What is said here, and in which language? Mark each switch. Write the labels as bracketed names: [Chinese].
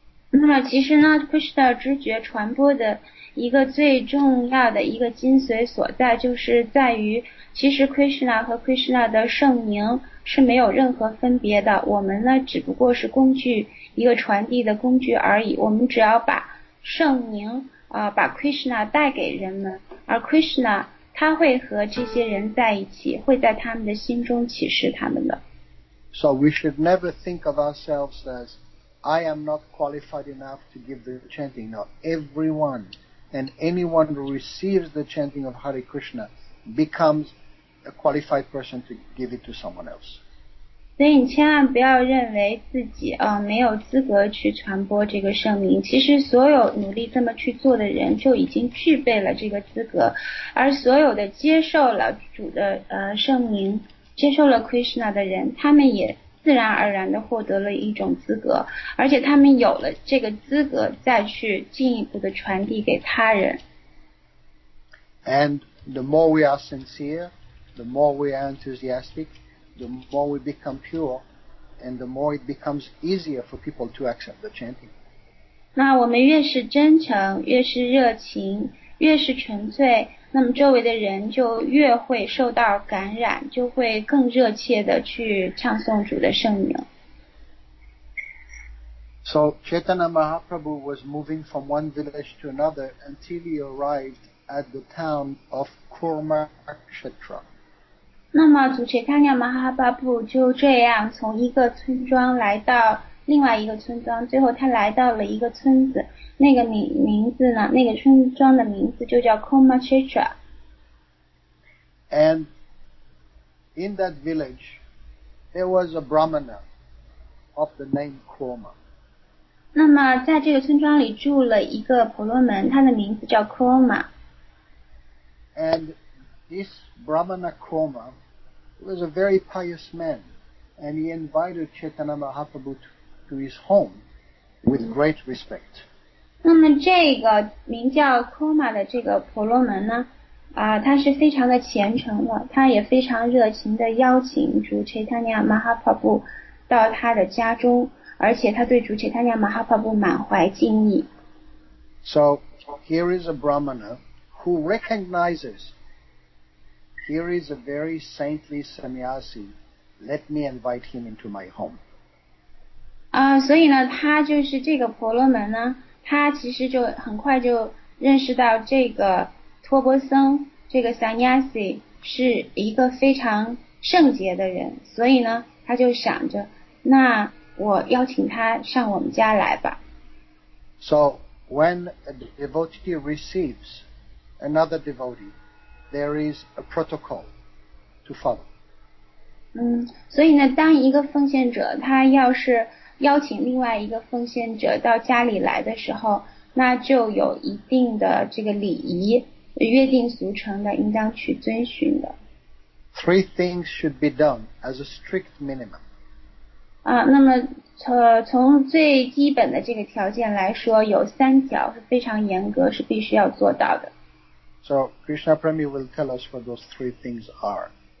[Chinese] 那么其实呢 Krishna 知觉传播的一个最重要的一个精髓所在就是在于其实 Krishna 和 Krishna 的圣名是没有任何分别的我们呢只不过是工具一个传递的工具而已我们只要把圣名、把 Krishna 带给人们而 Krishna 他会和这些人在一起会在他们的心中启示他们的 [English] So we should never think of ourselves as I am not qualified enough to give the chanting. Now everyone and anyone who receives the chanting of Hare Krishna becomes a qualified person to give it to someone else. [Chinese] 所以你千万不要认为自己、没有资格去传播这个圣名。其实所有努力这么去做的人就已经具备了这个资格。而所有的接受了主的、圣名接受了 Krishna 的人他们也自然而然地获得了一种资格而且他们有了这个资格再去进一步地传递给他人 [English] And the more we are sincere the more we are enthusiastic the more we become pure and the more it becomes easier for people to accept the chanting [Chinese] 那我们越是真诚越是热情越是纯粹那么周围的人就越会受到感染就会更热切地去唱诵主的圣名 [English] So Chaitanya Mahaprabhu was moving from one village to another until he arrived at the town of Kurukshetra [Chinese] 那么主 Chaitanya Mahaprabhu 就这样从一个村庄来到另外一个村庄最后他来到了一个村子那个 名字呢那个村庄的名字就叫 Kurukshetra [English] And in that village there was a brahmana of the name Kurma [Chinese] 那么在这个村庄里住了一个婆罗门他的名字叫 Kurma [English] And this brahmana Kurma was a very pious man and he invited Chaitanya Mahaprabhu to his home with great respect [Chinese] 那么这个名叫 Kurma 的这个婆罗门呢、他是非常的虔诚的他也非常热情地邀请主 Chaitanya Mahaprabhu 到他的家中而且他对主 Chaitanya Mahaprabhu 满怀敬意 [English] So here is a brahmana who recognizes here is a very saintly sannyasi let me invite him into my home、 [Chinese] 所以呢他就是这个婆罗门呢他其实就很快就认识到这个托钵僧这个 Sanyasi 是一个非常圣洁的人所以呢他就想着那我邀请他上我们家来吧 [English] So when a devotee receives another devotee there is a protocol to follow [Chinese] 所以呢当一个奉献者他要是邀请另外一个奉献者到家里来的时候那就有一定的这个礼仪约定俗成的应当去遵循的 [English] Three things should be done as a strict minimum [Chinese] 那么、从最基本的这个条件来说有三条是非常严格是必须要做到的 [English] So Krishna Premi will tell us what those three things are